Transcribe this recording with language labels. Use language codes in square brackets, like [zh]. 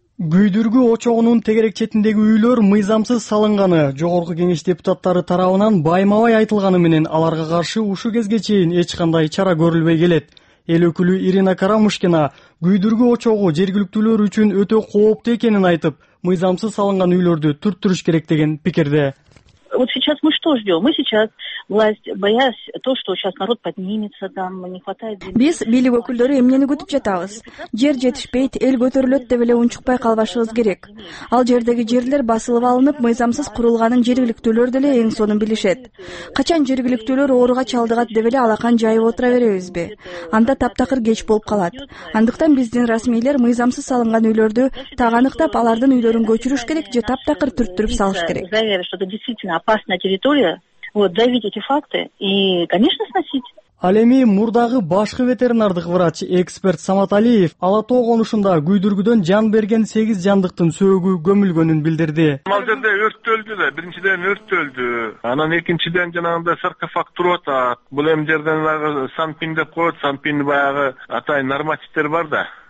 [ky] Күйдүргү очогунун тегерек четиндеги үйлөр мыйзамсыз салынганы жогорку кеңеш депутаттары тарабынан байма-бай айтылганы менен аларга каршы ушу кезге чейин эч кандай чара көрүлбөй келет. Эл өкүлү Ирина Карамушкина күйдүргү очогу жергиликтүүлөр үчүн өтө кооптуу экенин айтып, мыйзамсыз салынган үйлөрдү түрттүрүш керек деген пикирде. [ru] Вот сейчас мы что ждем? Мы сейчас власть, боясь то, что сейчас народ поднимется там, не хватает. [ky] Биз бийлик өкүлдөрү эмнени күтүп жатабыз? Жер жетишпейт, эл көтөрүлөт деп эле унчукпай калбашыбыз керек. Ал жердеги жерлер басылып алынып, мыйзамсыз курулганын жергиликтүүлөр деле эң сонун билишет. Качан жергиликтүүлөр ооруга чалдыгат деп эле алакан жайып отура беребизби? Анда таптакыр кеч болуп калат. Андыктан биздин расмийлер мыйзамсыз салынган үйлөрдү так аныктап, алардын үйлөрүн көчүрүш керек же таптакыр түрттүрүп салыш керек. [ru] Опасная территория, Вот, давить эти факты и, конечно, сносить. [ky] Ал эми мурдагы башкы ветеринардык врач эксперт Самат Алиев Ала Тоо конушунда күйдүргүдөн жан берген 8 жандыктын сөөгү көмүлгөнүн билдирди. Мал жерде өрттөлдү да, биринчиден өрттөлдү. Анан экинчиден жанагындай саркофакт туруп атат. Бул эми жерден дагы санпин деп коет, санпин баягы атайын нормативдер бар да.